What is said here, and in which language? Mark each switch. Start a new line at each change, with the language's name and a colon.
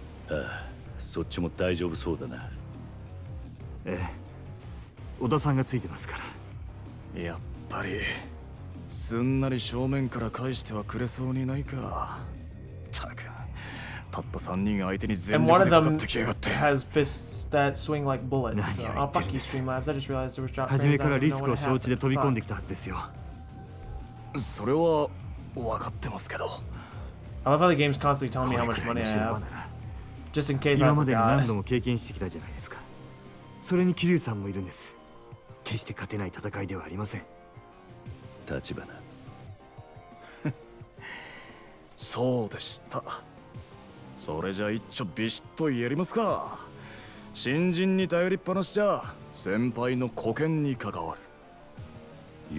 Japanese: ああ、そっちも大丈夫そうだな。ええ、織田さんがついてますから。やっぱり、すんなり正面から返してはくれそうにないか。たく、たった3人相手に全力でかかってきやがって。
English: And one of them has fists that swing like bullets.
Japanese: 何を言ってるんですか。
English: I'll fuck you, Streamlabs. I just realized there was drop.
Japanese: 初めからリスクを承知で飛び込んできたはずですよ。それは。分かってますけど。
English: I love how the game's constantly telling me how much money I have. Just in case I forgot.
Japanese: 今までに何度も経験してきたじゃないですか。それにキリュウさんもいるんです。決して勝てない戦いではありません。立花。そうでした。それじゃ一丁ビシッと言えりますか。新人に頼りっぱなしじゃ先輩の顧客に関わる。